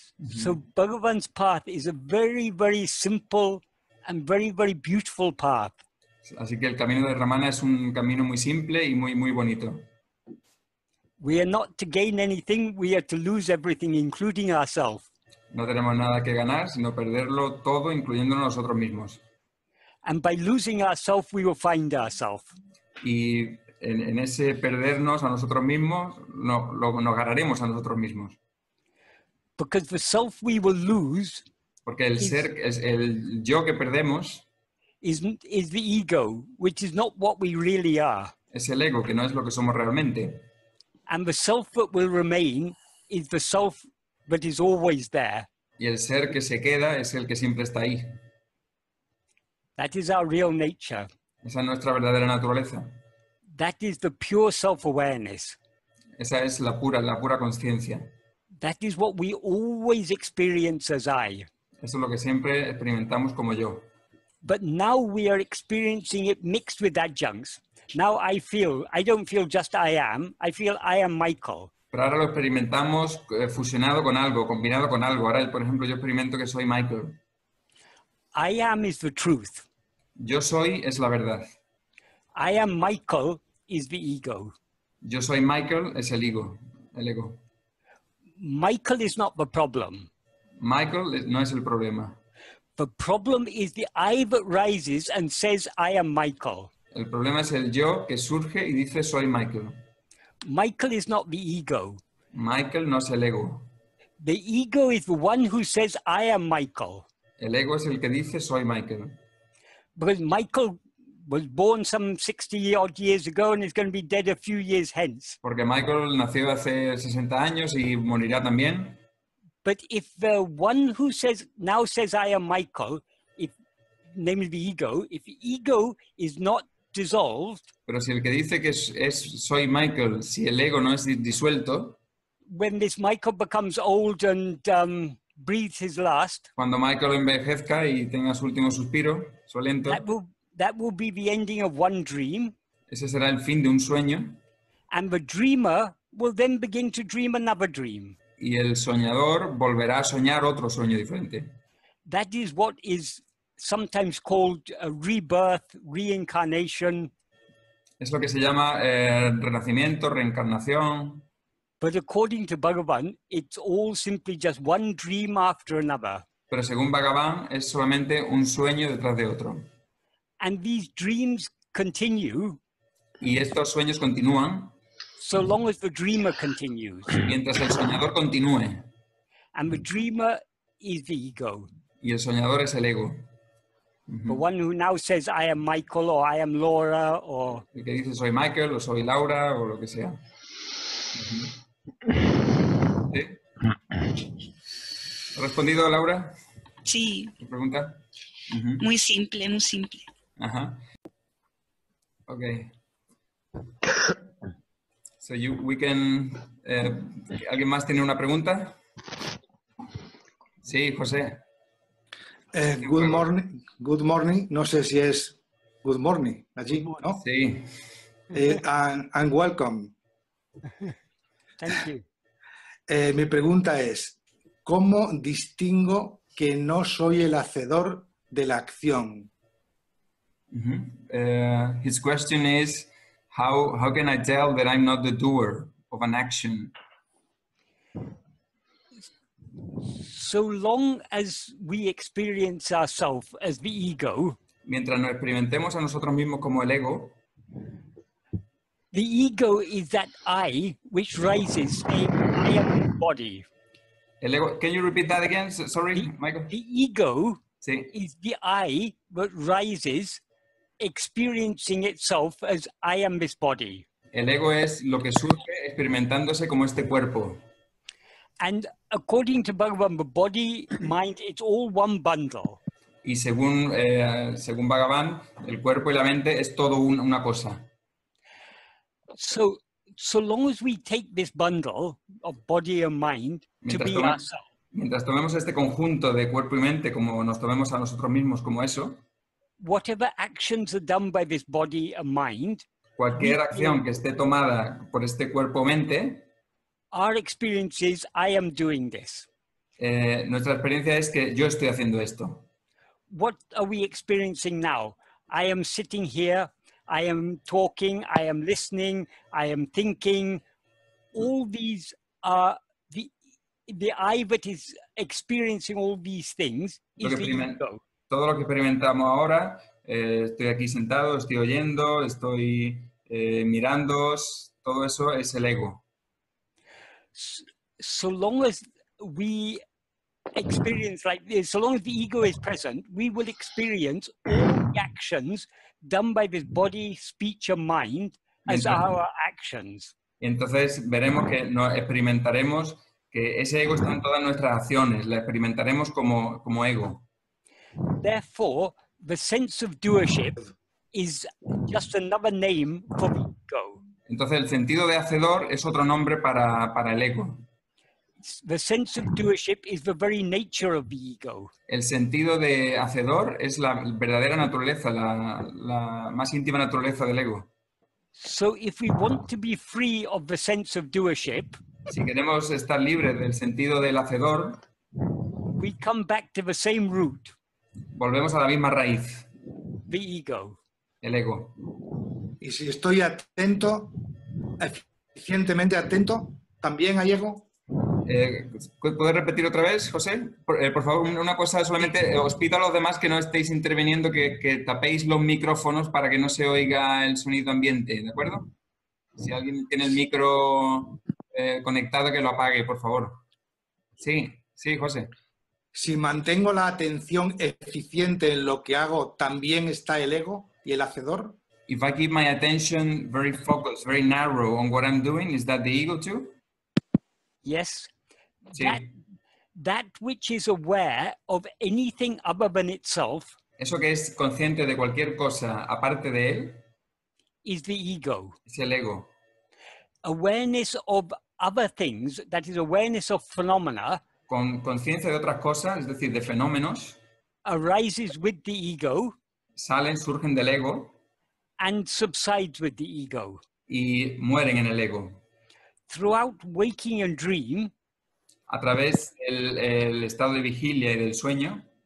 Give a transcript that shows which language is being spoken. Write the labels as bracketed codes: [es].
[en] So Bhagavan's path is a very, very simple and very, very beautiful path. [es] Así que el camino de Ramana es un camino muy simple y muy, muy bonito. [en] We are not to gain anything, we are to lose everything, including ourselves. [es] No tenemos nada que ganar, sino perderlo todo, incluyendo nosotros mismos. [en] And by losing ourselves, we will find ourselves. [es] Y en ese perdernos a nosotros mismos, nos ganaremos a nosotros mismos. [en] Because the self we will lose, [es] porque el ser, el yo que perdemos, [en] is the ego, which is not what we really are. [es] Es el ego, que no es lo que somos realmente. [en] And the self that will remain is the self that is always there. [es] Y el ser que se queda es el que siempre está ahí. [en] That is our real nature. [es] Esa es nuestra verdadera naturaleza. [en] That is the pure self-awareness. [es] Esa es la pura consciencia. [en] That is what we always experience as I. [es] Eso es lo que siempre experimentamos como yo. [en] But now we are experiencing it mixed with adjuncts. Now I feel, I don't feel just I feel I am Michael. [es] Pero ahora lo experimentamos fusionado con algo, combinado con algo. Ahora, por ejemplo, yo experimento que soy Michael. [en] I am is the truth. [es] Yo soy es la verdad. [en] I am Michael is the ego. [es] Yo soy Michael es el ego. [en] Michael is not the problem. [es] Michael no es el problema. [en] The problem is the I that rises and says I am Michael. [es] El problema es el yo que surge y dice soy Michael. [en] Michael is not the ego. [es] Michael no es el ego. [en] The ego is the one who says I am Michael. [es] El ego es el que dice soy Michael. [en] Because Michael was born some 60 odd years ago and is going to be dead a few years hence. [es] Porque Michael nació hace 60 años y morirá también. [en] But if the one who says now says I am Michael, if namely the ego, if the ego is not dissolved, [es] pero si el que dice que es soy Michael, si el ego no es disuelto, [en] when this Michael becomes old and breathes his last, [es] cuando Michael envejezca y tenga su último suspiro, su aliento, [en] that will be the ending of one dream. [es] Ese será el fin de un sueño. [en] And the dreamer will then begin to dream another dream. [es] Y el soñador volverá a soñar otro sueño diferente. [en] That is what is sometimes called a rebirth, reincarnation. [es] Es lo que se llama renacimiento, reencarnación. [en] But according to Bhagavan, it's all simply just one dream after another. [es] Pero según Bhagavan, es solamente un sueño detrás de otro. [en] And these dreams continue. [es] Y estos sueños continúan. [en] So long as the dreamer continues. [es] Mientras el soñador continúe. [en] And the dreamer is the ego. [es] Y el soñador es el ego. Mm-hmm. [en] The one who now says I am Michael or I am Laura or. [es] El que dice soy Michael o soy Laura o lo que sea. Mm-hmm. ¿Sí? ¿Ha respondido Laura? Sí. ¿Tu pregunta? Mm-hmm. Muy simple, muy simple. Uh-huh. Okay. [en] So you, we can. [es] ¿Alguien más tiene una pregunta? Sí, José. [en] Good morning. Good morning. [es] No sé si es [en] good morning [es] allí, ¿no? Sí. [en] And welcome. Thank you. [es] Mi pregunta es, ¿cómo distingo que no soy el hacedor de la acción? Mm-hmm. [en] His question is, how can I tell that I'm not the doer of an action? So long as we experience ourselves as the ego, [es] mientras nos experimentemos a nosotros mismos como el ego, [en] the ego is that I which rises the I am body. [es] El ego. [en] Can you repeat that again? Sorry, the, Michael. The ego sí. Is the I that rises, experiencing itself as I am this body. [es] El ego es lo que surge experimentándose como este cuerpo. [en] And according to Bhagavan, the body, mind, it's all one bundle. [es] Y según Bhagavan, el cuerpo y la mente es todo una cosa. [en] So long as we take this bundle of body and mind ourselves. [es] Mientras tomemos este conjunto de cuerpo y mente como nos tomemos a nosotros mismos como eso. [en] Whatever actions are done by this body and mind. [es] Cualquier acción que esté tomada por este cuerpo-mente. [en] Our experience is, I am doing this. [es] nuestra experiencia es que yo estoy haciendo esto. [en] What are we experiencing now? I am sitting here, I am talking, I am listening, I am thinking. All these are the I that is experiencing all these things is the ego. [es] Todo lo que experimentamos ahora, estoy aquí sentado, estoy oyendo, estoy mirándoos, todo eso es el ego. [en] So long as we experience like this, so long as the ego is present, we will experience all the actions done by this body, speech and mind as our actions. [es] Entonces veremos que nos experimentaremos que ese ego está en todas nuestras acciones, la experimentaremos como ego. [en] Therefore, the sense of doership is just another name for the ego. [es] Entonces, el sentido de hacedor es otro nombre para el ego. [en] The sense of doership is the very nature of the ego. [es] El sentido de hacedor es la verdadera naturaleza, la más íntima naturaleza del ego. [en] So if we want to be free of the sense of doership, [es] si queremos estar libres del sentido del hacedor, [en] we come back to the same root. [es] Volvemos a la misma raíz. [en] The ego. [es] El ego. Y si estoy atento, eficientemente atento, también hay ego. ¿Puedes repetir otra vez, José? Por favor, una cosa solamente, os pido a los demás que no estéis interviniendo, que tapéis los micrófonos para que no se oiga el sonido ambiente, ¿de acuerdo? Si alguien tiene el micro conectado, que lo apague, por favor. Sí, sí, José. Si mantengo la atención eficiente en lo que hago, también está el ego y el hacedor. [en] If I keep my attention very focused, very narrow on what I'm doing, is that the ego too? Yes. [es] Sí. [en] That which is aware of anything other than itself. [es] Eso que es consciente de cualquier cosa aparte de él. [en] Is the ego. [es] Es el ego. [en] Awareness of other things, that is awareness of phenomena. [es] Con conciencia de otras cosas, es decir, de fenómenos. [en] Arises with the ego. [es] Salen, surgen del ego. [en] And subsides with the ego. [es] Y mueren en el ego. [en] Throughout waking and dream. [es] A través el estado de vigilia y del sueño.